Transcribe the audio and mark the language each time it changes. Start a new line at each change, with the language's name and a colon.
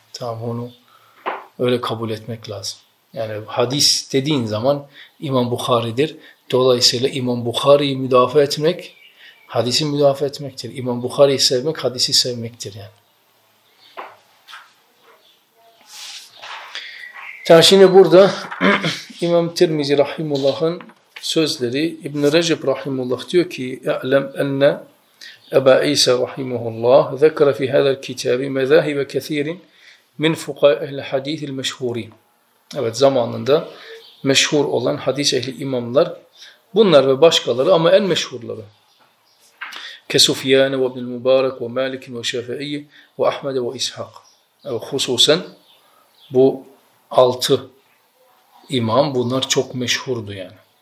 Turkish: Tamam, onu öyle kabul etmek lazım. Yani hadis dediğin zaman İmam Bukhari'dir. Dolayısıyla İmam Bukhari'yi müdafaa etmek hadisi müdafaa etmektir. İmam Bukhari'yi sevmek hadisi sevmektir yani. Yani şimdi burada İmam Tirmizi Rahimullah'ın sözleri, İbn-i Recep Rahimullah diyor ki
Arabic: اَعْلَمْ اَنَّ اَبَا اِيْسَ رَحِمُهُ اللّٰهِ ذَكَرَ فِي هَذَا الْكِتَابِ مَذَاهِبَ كَثِيرٍ مِنْ فُقَاءِ اَهْلِ حَدِيثِ الْمَشْهُورِينَ.
Turkish: Evet, zamanında meşhur olan hadis ehli imamlar bunlar ve başkaları ama en meşhurları كَسُفْيَانَ وَبْنِ الْمُبَارَكُ وَمَالِكٍ وَشَافَئِيِّ وَأَحْمَدَ وَإِسْحَاقَ. Hususen bu 6 imam bunlar çok meşhurdu yani.